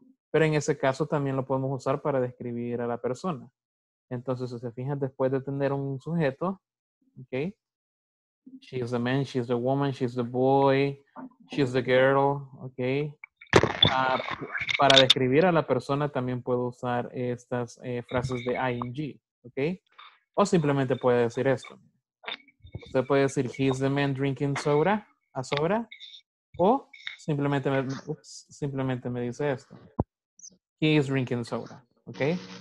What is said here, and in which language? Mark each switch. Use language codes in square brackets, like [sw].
[es] Pero en ese caso también lo podemos usar para describir a la persona. Entonces, si se fijan, después de tener un sujeto, okay? [en] She is the man, she is the woman, she is the boy, she is the girl, okay? [es] Para describir a la persona también puedo usar estas frases de ing, ¿ok? O simplemente puede decir esto. Usted puede decir, [en] he's the man drinking soda, a soda. [es] O Simplemente me dice esto. [en] He is drinking soda. Okay.